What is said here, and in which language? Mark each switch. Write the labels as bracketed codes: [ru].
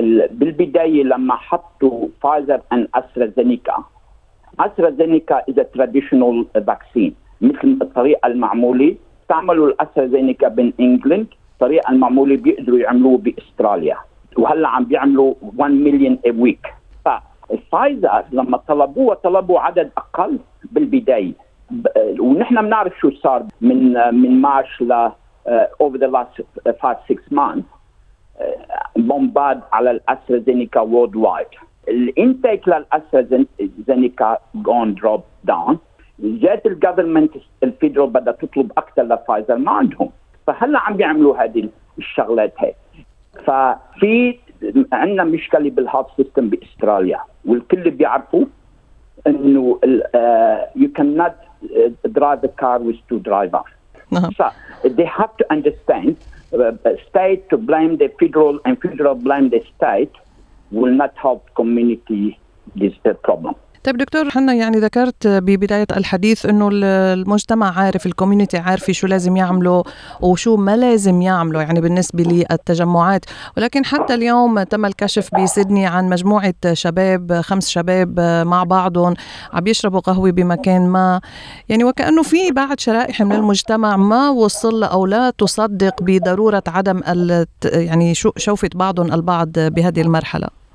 [ar] بالبداية لما حطوا فايزر أن أسترازينيكا، أسترازينيكا [en] is a traditional vaccine، [ar] مثل الطريقة المعمولة تعملوا الأسترازينيكا بين إنجلند، الطريقة المعمولة بيقدروا يعملوه بإستراليا، وهلأ عم بيعملوا [en] 1 million a week. [ar] فالفايزر لما طلبوه طلبوا عدد أقل بالبداية، ونحن بنعرف شو صار من مارش ل [en] over the last 5-6 months [ar] bombard على الأسترازينيكا worldwide. الانتاج للأسترازينيكا [en] gone drop down. [ar] جات الجوفرمنت الفيدرال بدأ تطلب أكثر لفايزر، ما عندهم. فهلا عم بيعملوا هذه الشغلات هاي. ففي عندنا مشكلة بالهيلث سيستم بأستراليا، والكل بيعرفوا إنه [en] you cannot drive a car with two drivers. So they have to understand state to blame the federal and federal blame the state will not help community this problem. [ar] طيب دكتور حنا، يعني ذكرت ببداية الحديث أنه المجتمع عارف، الكوميونيتي عارف شو لازم يعملوا وشو ما لازم يعملوا يعني بالنسبة للتجمعات، ولكن حتى اليوم تم الكشف بسيدني عن مجموعة شباب، 5 شباب مع بعضهم عم يشربوا قهوة بمكان ما، يعني وكأنه في بعض شرائح من المجتمع ما وصل أو لا تصدق بضرورة عدم يعني شوفة بعضهم البعض بهذه المرحلة.